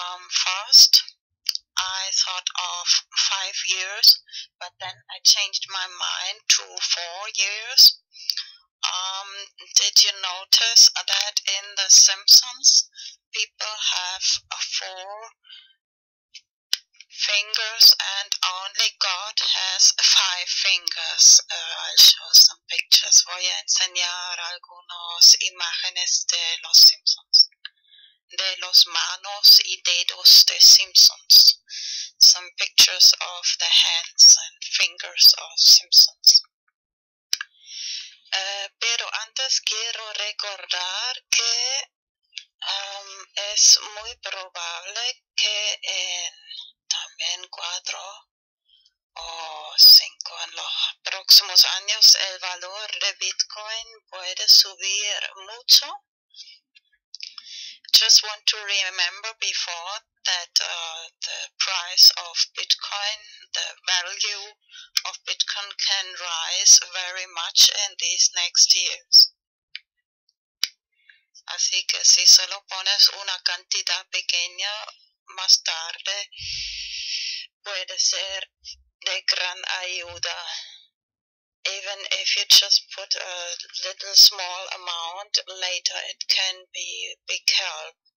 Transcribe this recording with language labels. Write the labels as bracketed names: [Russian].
[English] First, I thought of 5 years, but then I changed my mind to 4 years. Did you notice that in The Simpsons, people have 4 fingers and only God has 5 fingers. I'll show some pictures. [Spanish] Voy a enseñar algunas imágenes de los Simpsons. De los manos y dedos de Simpsons. [English] Some pictures of the hands and fingers of Simpsons. [Spanish] Pero antes quiero recordar que es muy probable que en también 4 o 5 en los próximos años el valor de Bitcoin puede subir mucho. [English] Just want to remember before that the price of Bitcoin, the value of Bitcoin can rise very much in these next years. [Spanish] Así que si solo pones una cantidad pequeña más tarde, puede ser de gran ayuda. [English] Even if you just put a little small amount, later it can be big help.